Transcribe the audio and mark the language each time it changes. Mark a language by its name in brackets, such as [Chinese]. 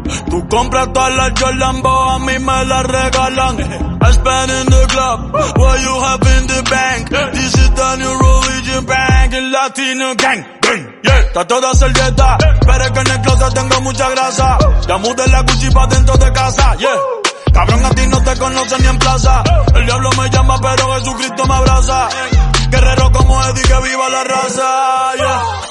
[Spanish] Tú compras todas las Jolambo, a mí me las regalan. [English] I spend in the club, what you have in the bank. This is the new religion bank, el latino gang. Yeah. [Spanish] Está toda servieta, pero es que en el closet tengo mucha grasa. Ya mudé la Gucci pa' dentro de casa, yeah. Cabrón, a ti no te conocen ni en plaza. El diablo me llama, pero Jesucristo me abraza. Guerrero como Eddie, que viva la raza, yeah.